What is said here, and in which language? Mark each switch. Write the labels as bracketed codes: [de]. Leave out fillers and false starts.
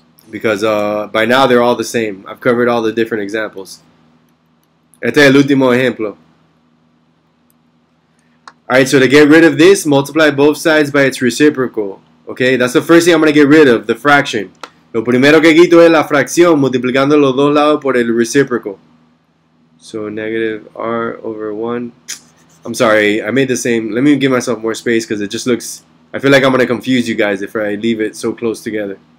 [en] Because by now they're all the same. I've covered all the different examples. [es] Este es el último ejemplo. [en] Alright, so to get rid of this, multiply both sides by its reciprocal. Okay, that's the first thing I'm going to get rid of, the fraction. [es] Lo primero que quito es la fracción, multiplicando los dos lados por el reciprocal. [en] So negative r over 1... I'm sorry, I made the same. Let me give myself more space because it just looks... I feel like I'm going to confuse you guys if I leave it so close together.